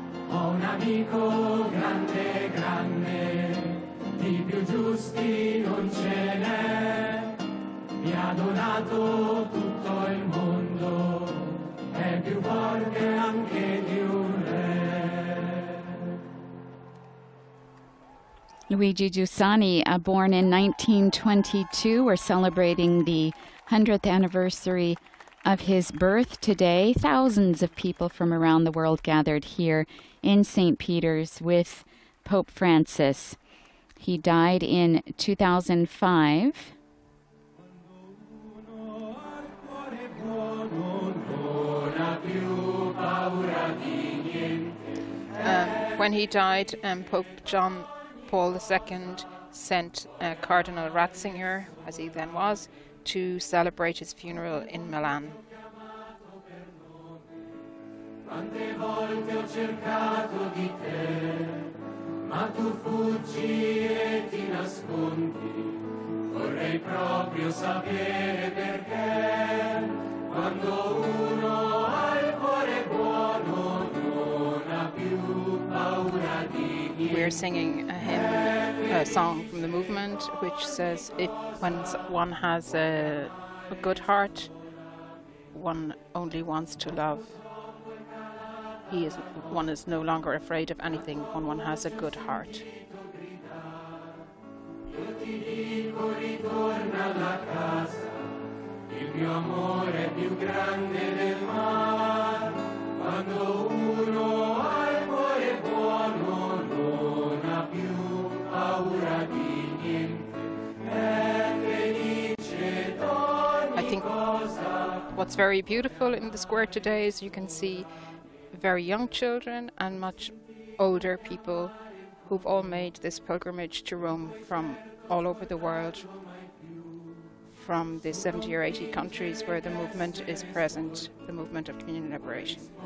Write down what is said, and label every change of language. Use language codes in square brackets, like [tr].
[it] Ho un amico grande, grande, di più giusti non ce n'è. Mi ha donato tutto il mondo, è più forte anche di un re. [en] Luigi Giussani, born in 1922, we're celebrating the 100th anniversary of his birth today. Thousands of people from around the world gathered here in St. Peter's with Pope Francis. He died in 2005. When he died, Pope John Paul II sent Cardinal Ratzinger, as he then was, to celebrate his funeral in Milan. [it] Quante volte ho cercato di te, ma tu fuggi e ti nascondi. Vorrei proprio sapere perché, quando uno ha il cuore buono, non ha più paura di niente. [en] We're singing a hymn, a song from the movement, which says if when one has a good heart, one only wants to love. One is no longer afraid of anything when one has a good heart. [it] Io ti dico ritorna alla casa, il mio amore è più grande del mar. Quando uno ha il cuore buono, non ha più paura di niente, è felice d'ogni cosa. [en] What's very beautiful in the square today is you can see very young children and much older people who've all made this pilgrimage to Rome from all over the world, from the 70 or 80 countries where the movement is present, the movement of communion liberation.